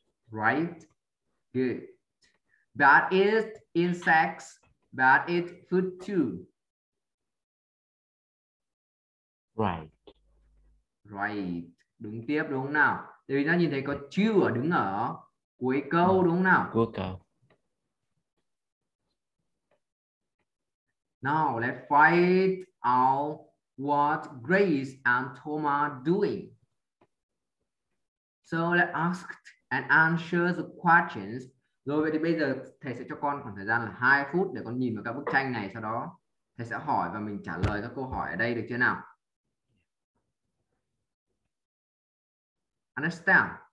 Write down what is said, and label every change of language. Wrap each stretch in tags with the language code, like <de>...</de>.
<en>Right. Good. That is insects, that is food too. Right. Right.</en> <vi>Đúng tiếp đúng không nào? Tại vì ta nhìn thấy có chưa ở đứng ở cuối câu đúng không nào? Cuối câu.</vi> <en>Now let's find out what Grace and Thomas doing. So let's ask and answer the questions.</en> <vi>Rồi thì bây giờ thầy sẽ cho con khoảng thời gian là 2 phút để con nhìn vào các bức tranh này, sau đó thầy sẽ hỏi và mình trả lời các câu hỏi ở đây, được chưa nào?</vi> <en>Understand?</en>